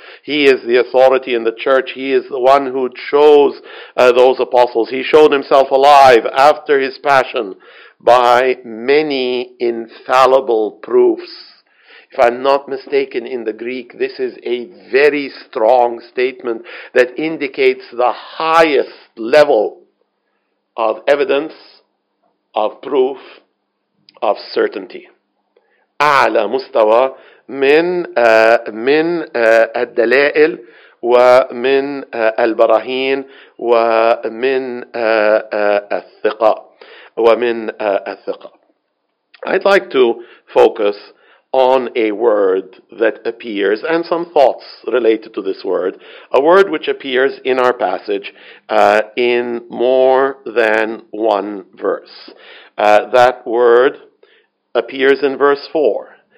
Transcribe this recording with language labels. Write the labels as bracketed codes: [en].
[en] He is the authority in the church. He is the one who chose those apostles. He showed himself alive after his passion by many infallible proofs. If I'm not mistaken, in the Greek, this is a very strong statement that indicates the highest level of evidence, of proof, of certainty. [ar] أعلى مستوى من الدلائل ومن البراهين ومن الثقة ومن الثقة. [en] I'd like to focus on a word that appears, and some thoughts related to this word, a word which appears in our passage in more than one verse. That word appears in verse 4.